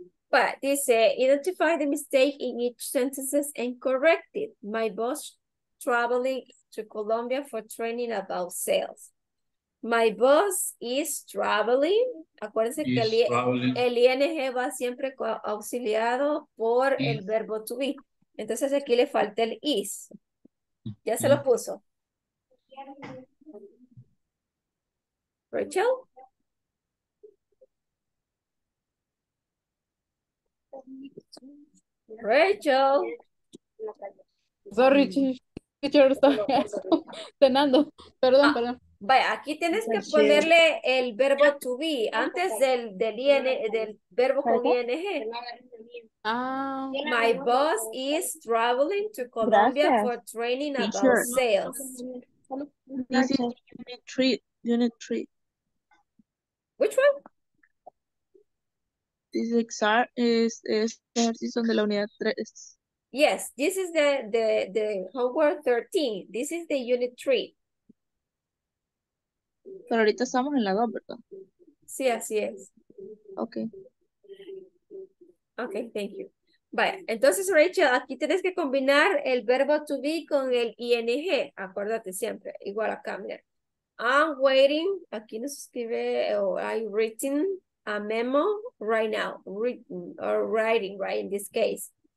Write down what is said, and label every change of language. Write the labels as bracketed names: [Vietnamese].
[English] But, dice, identify the mistake in each sentence and correct it. My boss traveling to Colombia for training about sales. My boss is traveling. [Spanish] Acuérdense que el ING va siempre auxiliado por el verbo to be. Entonces aquí le falta el is. Ya se lo puso. Rachel? Rachel? [English] Sorry, teacher, [Spanish] estoy cenando. Perdón, ah, perdón. Vaya, aquí tienes que ponerle el verbo to be antes del verbo con ING. [English] My boss is traveling to Colombia for training about sales. This is unit three. Which one? This exam is [Spanish] ejercicio de la unidad 3. [English] Yes, this is the homework 13. This is the unit 3. [Spanish] Pero ahorita estamos en la 2, ¿verdad? Sí, así es. Okay. [English] Okay, thank you. [Spanish] Vaya, entonces Rachel, aquí tienes que combinar el verbo to be con el ing. Acuérdate siempre, igual acá, mira. [English] I'm waiting, [Spanish] aquí nos escribe, [English] I've written a memo right now, written, or writing, right, in this case.